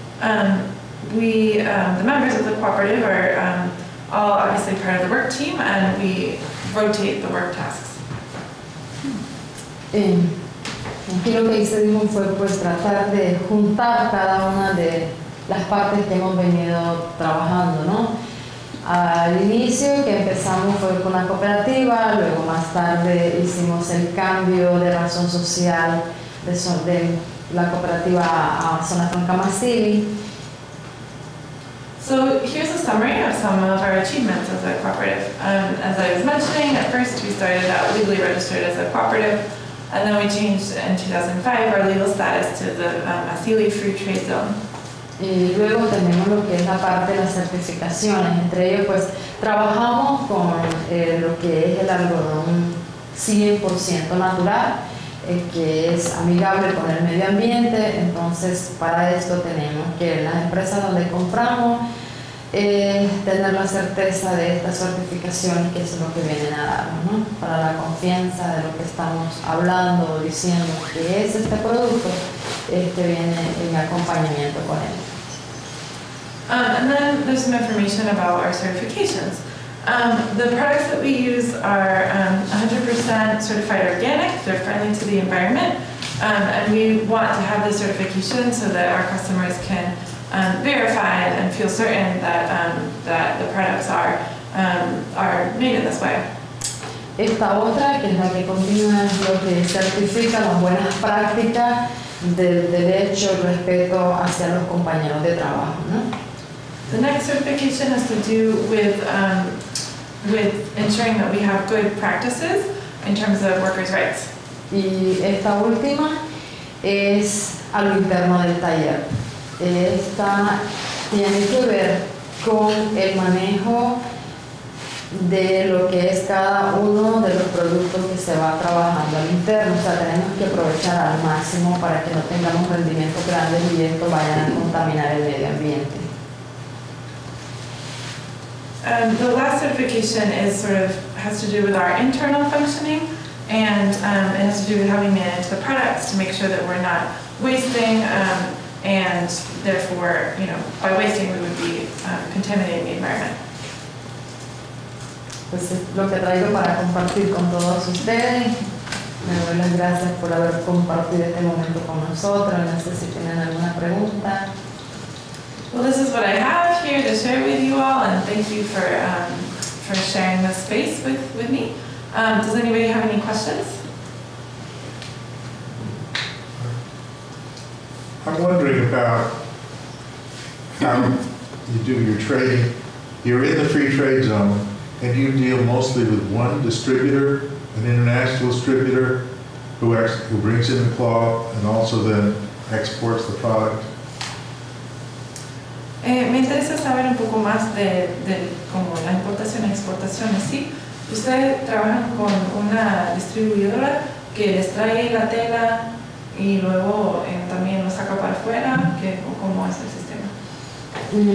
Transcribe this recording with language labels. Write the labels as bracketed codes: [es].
[en] The members of the cooperative are all obviously part of the work team and we rotate the work tasks. [es] Aquí lo que hicimos fue pues tratar de juntar cada una de las partes que hemos venido trabajando, ¿no? Al inicio que empezamos fue con la cooperativa, luego más tarde hicimos el cambio de razón social de la cooperativa a zona franca Masili. [en] So here's a summary of some of our achievements as a cooperative. As I was mentioning, at first we started out legally registered as a cooperative. And then we changed in 2005 our legal status to the Masili Free Trade Zone. [es] Y luego tenemos lo que es la parte de las certificaciones. Entre ellos, pues, trabajamos con lo que es el algodón 100% natural, que es amigable con el medio ambiente. Entonces, para esto tenemos que las empresas donde compramos tener la certeza de esta certificación, que es lo que vienen a darnos, ¿no? Para la confianza de lo que estamos hablando o diciendo que es este producto, que viene en acompañamiento con él. [en] And then there's some information about our certifications. The products that we use are 100% certified organic. They're friendly to the environment. And we want to have the certification so that our customers can verify and feel certain that that the products are made in this way. [es] Esta otra, que es la que continúa, lo que certifica las buenas prácticas del derecho respeto hacia los compañeros de trabajo, ¿no? [en] The next certification has to do with ensuring that we have good practices in terms of workers' rights. [es] Y esta última es a lo interno del taller. Esta tiene que ver con el manejo de lo que es cada uno de los productos que se va trabajando al interno. O sea, tenemos que aprovechar al máximo para que no tengamos rendimientos grandes y esto vaya a contaminar el medio ambiente. [en] The last certification is sort of has to do with our internal functioning, and it has to do with how we manage the products to make sure that we're not wasting. And therefore, you know, by wasting, we would be contaminating the environment. [es] Pues es lo que traigo para compartir con todos ustedes. Me doy las gracias por haber compartido este momento con nosotros. No sé si tienen alguna pregunta. [en] Well, this is what I have here to share with you all, and thank you for sharing this space with me. Does anybody have any questions? I'm wondering about how you do your trading. You're in the free trade zone, and you deal mostly with one distributor, an international distributor, who brings in the cloth and also then exports the product. [es] Me interesa saber un poco más de como la importación y exportación. Sí, ustedes trabajan con una distribuidora que les trae la tela. Y luego también lo saca para afuera, ¿cómo es el sistema?